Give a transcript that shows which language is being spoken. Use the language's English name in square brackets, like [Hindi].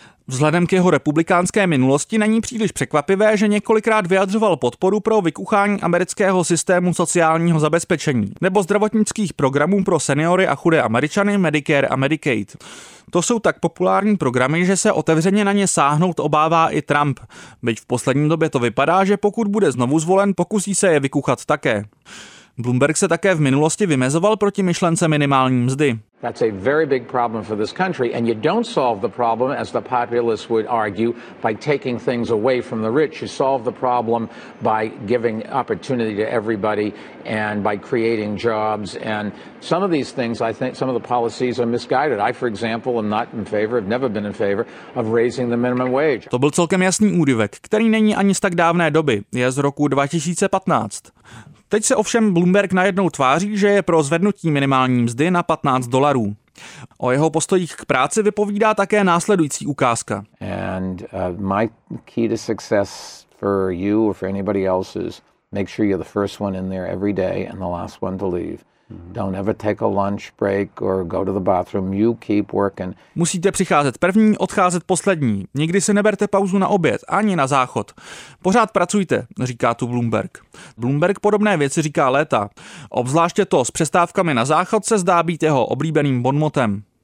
[Czech] Vzhledem k jeho republikánské minulosti není příliš překvapivé, že několikrát vyjadřoval podporu pro vykuchání amerického systému sociálního zabezpečení nebo zdravotnických programů pro seniory a chudé Američany Medicare a Medicaid. To jsou tak populární programy, že se otevřeně na ně sáhnout obává i Trump, byť v poslední době to vypadá, že pokud bude znovu zvolen, pokusí se je vykuchat také. Bloomberg se také v minulosti vymezoval proti myšlence minimální mzdy. [English] That's a very big problem for this country, and you don't solve the problem, as the populists would argue, by taking things away from the rich. You solve the problem by giving opportunity to everybody and by creating jobs. And some of these things, I think, some of the policies are misguided. I, for example, am not in favor, have never been in favor of raising the minimum wage. [Czech] To byl celkem jasný údivek, který není ani z tak dávné doby. Je z roku 2015. Teď se ovšem Bloomberg najednou tváří, že je pro zvednutí minimální mzdy na $15. O jeho postojích k práci vypovídá také následující ukázka. [English] And my key to success for you or for anybody else is make sure you're the first one in there every day and the last one to leave. Don't ever take a lunch break or go to the bathroom. You keep working. [Czech] Musíte přicházet první, odcházet poslední. Nikdy si neberte pauzu na oběd, ani na záchod. Pořád pracujte, říká tu Bloomberg. Bloomberg podobné věci říká léta. Obzvláště to s přestávkami na záchod se zdá být jeho oblíbeným bonmotem.